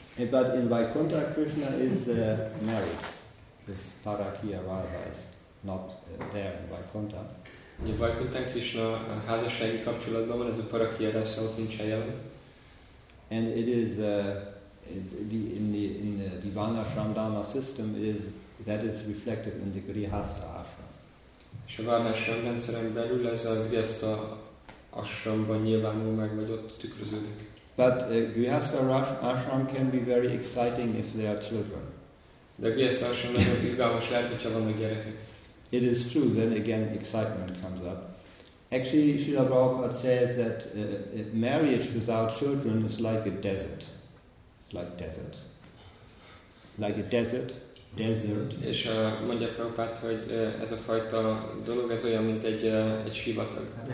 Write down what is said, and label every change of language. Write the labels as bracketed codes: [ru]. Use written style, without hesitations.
[en] But in Vaikuntha, Krishna is married. This Parakya Rasa is not there in Vaikuntha. [hu] Ugye Vaikuntha Krishna a házassági kapcsolatban van, ez a Parakya Rasa ott nincsen jelen. [en] And it is in the Divana Shramdana system, that is reflected in the Grihastha Ashram. [hu] És a Varnashram rendszeren belül ez a Grihastha Ashramban nyilvánul meg, vagy ott tükröződik. [en] But a Grihastha Ashram can be very exciting if there are children. [hu] De a Grihastha Ashram nagyon izgalmas lehet, hogyha vannak gyerekek. [en] It is true, then again excitement comes up. Actually, Srila Prabhupada says that marriage without children is like a desert. Like a desert. [hu] És mondja Prabhupád, hogy ez a fajta dolog, ez olyan, mint egy sivatag.